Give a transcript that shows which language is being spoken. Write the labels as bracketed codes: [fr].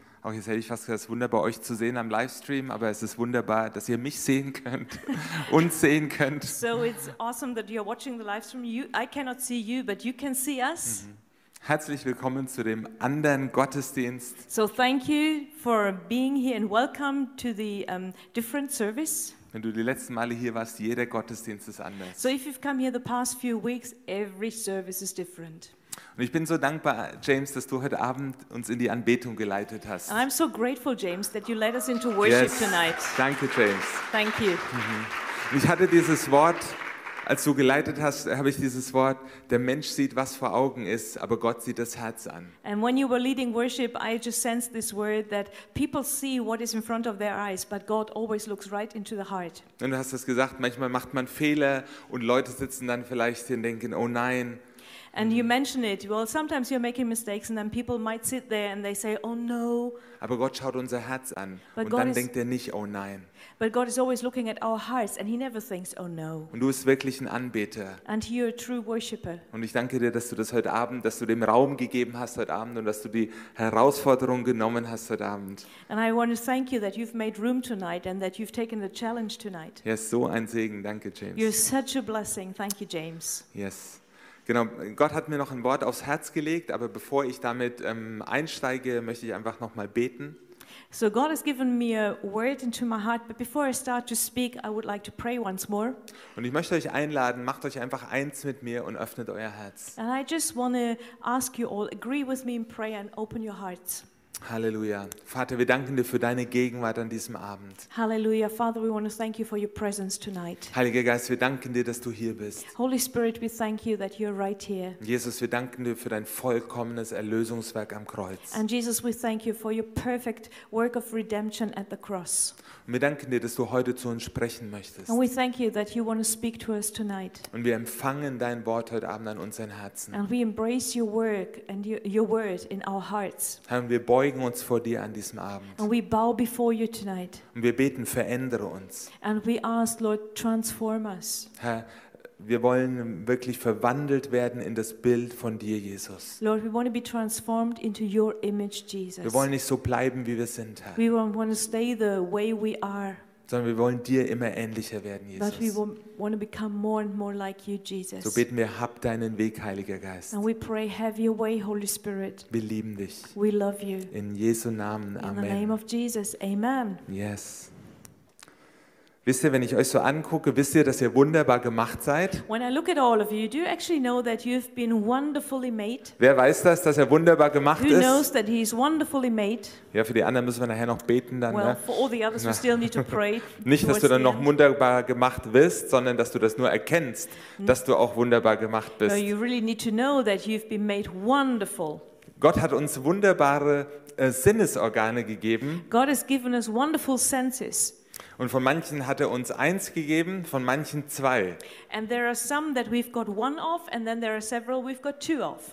[de] Auch jetzt hätte ich fast gesagt, es ist wunderbar, euch zu sehen am Livestream, aber es ist wunderbar, dass ihr mich sehen könnt, uns sehen könnt. [en] So it's awesome that you're watching the livestream. I cannot see you, but you can see us. [de] Herzlich willkommen zu dem anderen Gottesdienst. [en] So thank you for being here and welcome to the different service. [de] Wenn du die letzten Male hier warst, jeder Gottesdienst ist anders. [en] So if you've come here the past few weeks, every service is different. [de] Und ich bin so dankbar, James, dass du heute Abend uns in die Anbetung geleitet hast. [en] I'm so grateful, James, that you led us into worship yes. tonight. [de] Danke, James. [en] Thank you. [de] Und ich hatte dieses Wort, als du geleitet hast, habe ich dieses Wort, der Mensch sieht, was vor Augen ist, aber Gott sieht das Herz an. [en] And when you were leading worship, I just sensed this word that people see what is in front of their eyes, but God always looks right into the heart. [de] Und du hast das gesagt, manchmal macht man Fehler und Leute sitzen dann vielleicht hier und denken, oh nein. [en] And you mention it, well, sometimes you're making mistakes and then people might sit there and they say, oh no. [de] Aber Gott schaut unser Herz an und dann denkt er nicht, oh nein. [en] But God is always looking at our hearts and he never thinks, oh no. [de] Und du bist wirklich ein Anbeter. [en] And you're a true worshipper. [de] Und ich danke dir, dass du das heute Abend, dass du dem Raum gegeben hast heute Abend und dass du die Herausforderung genommen hast heute Abend. [en] And I want to thank you that you've made room tonight and that you've taken the challenge tonight. [de] Ja, so ein Segen, danke James. [en] You're such a blessing, thank you James. Yes. [de] Genau, Gott hat mir noch ein Wort aufs Herz gelegt, aber bevor ich damit einsteige, möchte ich einfach noch mal beten. [en] So God has given me a word into my heart, but before I start to speak, I would like to pray once more. [de] Und ich möchte euch einladen, macht euch einfach eins mit mir und öffnet euer Herz. [en] And I just want to ask you all, agree with me in prayer and open your hearts. [de] Halleluja. Vater, wir danken dir für deine Gegenwart an diesem Abend. Halleluja. [en] Father, we want to thank you for your presence tonight. [de] Heiliger Geist, wir danken dir, dass du hier bist. [en] Holy Spirit, we thank you that you're right here. [de] Jesus, wir danken dir für dein vollkommenes Erlösungswerk am Kreuz. [en] And Jesus, we thank you for your perfect work of redemption at the cross. [de] Und wir danken dir, dass du heute zu uns sprechen möchtest. [en] And we thank you that you want to speak to us tonight. [de] Und wir empfangen dein Wort heute Abend an unseren Herzen. [en] And we embrace your work and your word in our hearts. [de] Herr, wir beugen uns vor dir an diesem Abend. [en] And we bow before you tonight. [de] Und wir beten, verändere uns. [en] And we ask, Lord, transform us. [de] Herr, wir wollen wirklich verwandelt werden in das Bild von dir, Jesus. [en] Lord, we want to be transformed into your image, Jesus. [de] Wir wollen nicht so bleiben, wie wir sind, Herr. [en] We want to stay the way we are. [de] Sondern wir wollen dir immer ähnlicher werden, Jesus. [en] But we want to become more and more like you, Jesus. [de] So beten wir, hab deinen Weg, Heiliger Geist. [en] And we pray, have your way, Holy Spirit. [de] Wir lieben dich. [en] We love you. [de] In Jesu Namen, Amen. [en] In the name of Jesus, Amen. Yes. [de] Wisst ihr, wenn ich euch so angucke, wisst ihr, dass ihr wunderbar gemacht seid? [en] When I look at all of you, do you actually know that you've been wonderfully made? [de] Wer weiß das, dass er wunderbar gemacht [en] Who [de] ist? [en] Who knows that he's wonderfully made? [de] Ja, für die anderen müssen wir nachher noch beten dann. [en] Well, [de] ne? [en] For all the others, we still need to pray. [de] Nicht, dass du dann noch wunderbar gemacht wirst, sondern dass du das nur erkennst, dass du auch wunderbar gemacht bist. [en] No, you really need to know that you've been made wonderful. [de] Gott hat uns wunderbare Sinnesorgane gegeben. [en] God has given us wonderful senses. [de] Und von manchen hat er uns eins gegeben, von manchen zwei. [en] And there are some that we've got one of, and then there are several we've got two of.